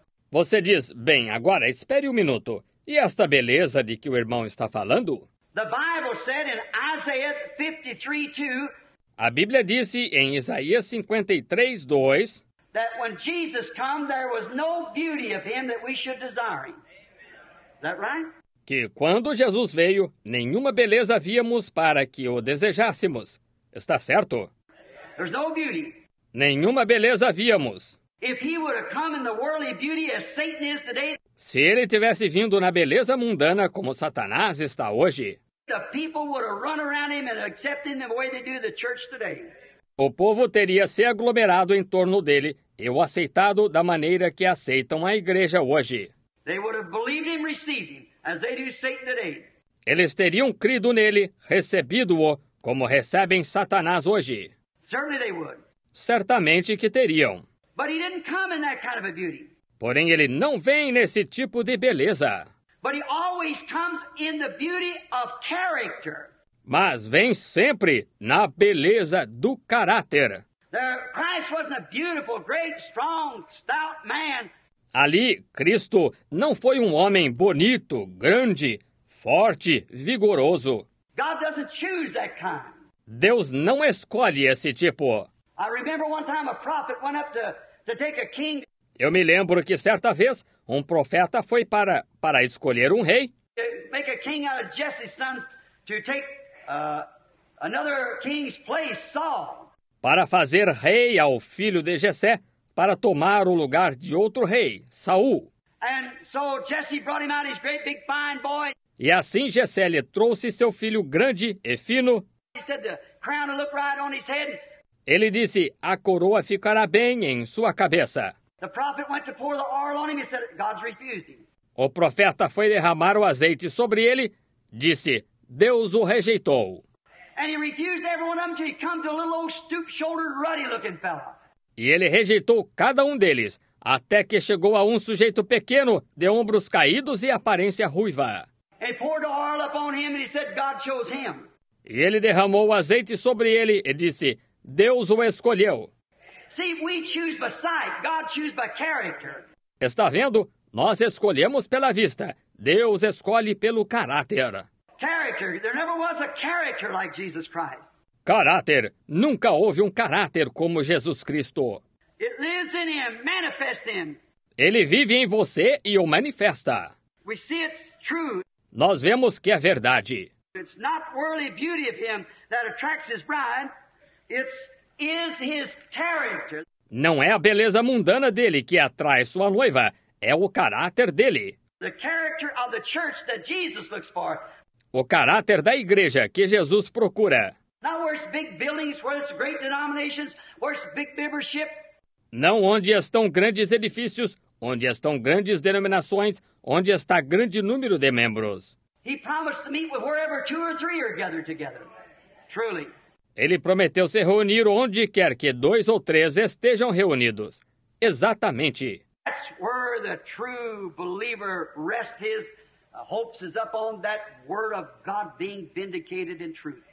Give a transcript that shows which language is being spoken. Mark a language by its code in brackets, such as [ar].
[pt] Você diz, bem, agora espere um minuto. E esta beleza de que o irmão está falando? [en] The Bible said in Isaiah 53:2, [pt] a Bíblia disse em Isaías 53:2, [en] that when Jesus came, there was no beauty of him that we should desire him. Is that right? [pt] Que quando Jesus veio, nenhuma beleza víamos para que o desejássemos. Está certo? [en] There's no beauty. [pt] Nenhuma beleza víamos. [en] If he were to come in the worldly beauty as Satan is today, [pt] se ele tivesse vindo na beleza mundana como Satanás está hoje, [en] the people would have run around him and accepted him the way they do the church today. [pt] O povo teria se aglomerado em torno dele e o aceitado da maneira que aceitam a igreja hoje. [en] They would have believed him, received him, as they do Satan today. [pt] Eles teriam crido nele, recebido-o, como recebem Satanás hoje. [en] Certainly they would. [pt] Certamente que teriam. [en] But he didn't come in that kind of a beauty. [pt] Porém, ele não vem nesse tipo de beleza. [en] But he always comes in the beauty of character. [pt] Mas vem sempre na beleza do caráter. [en] Christ wasn't a beautiful, great, strong, stout man. [pt] Ali, Cristo não foi um homem bonito, grande, forte, vigoroso. [en] God doesn't choose that kind. [pt] Deus não escolhe esse tipo. [en] I remember one time a prophet went up to take a king. [pt] Eu me lembro que certa vez um profeta foi para escolher um rei. [en] Make a king out of Jesse's sons to take another king's place, Saul. [pt] Para fazer rei ao filho de Jessé, para tomar o lugar de outro rei, Saul. [en] And so Jesse brought him out his great big fine boy. [pt] E assim Jessé lhe trouxe seu filho grande e fino. [en] He said the crown will look right on his head. [pt] Ele disse, a coroa ficará bem em sua cabeça. [en] The prophet went to pour the oil on him. He said, God's refused him. [pt] O profeta foi derramar o azeite sobre ele, disse, Deus o rejeitou. [en] And he refused every one of them till he come to a little old stoop-shouldered ruddy-looking fella. [pt] E ele rejeitou cada um deles, até que chegou a um sujeito pequeno, de ombros caídos e aparência ruiva. [en] He poured the oil upon him and he said, God chose him. [pt] E ele derramou o azeite sobre ele e disse, Deus o escolheu. [en] See, we choose by sight. God chooses by character. [pt] Está vendo? Nós escolhemos pela vista. Deus escolhe pelo caráter. [en] Character. There never was a character like Jesus Christ. [pt] Caráter. Nunca houve um caráter como Jesus Cristo. [en] It lives in him, manifest him. [pt] Ele vive em você e o manifesta. [en] We see it's true. [pt] Nós vemos que é verdade. [en] It's not worldly beauty of him that attracts his bride. It's is his character. [pt] Não é a beleza mundana dele que atrai sua noiva, é o caráter dele. [en] The character of the church that Jesus looks for. [pt] O caráter da igreja que Jesus procura. [en] Not where it's big buildings, where it's great denominations, where it's big membership. [pt] Não onde estão grandes edifícios, onde estão grandes denominações, onde está grande número de membros. [en] He promised to meet with wherever two or three are gathered together. Truly. [pt] Ele prometeu se reunir onde quer que dois ou três estejam reunidos. Exatamente. [en] That's where the true believer rests his hopes is up on that word of God being vindicated in truth.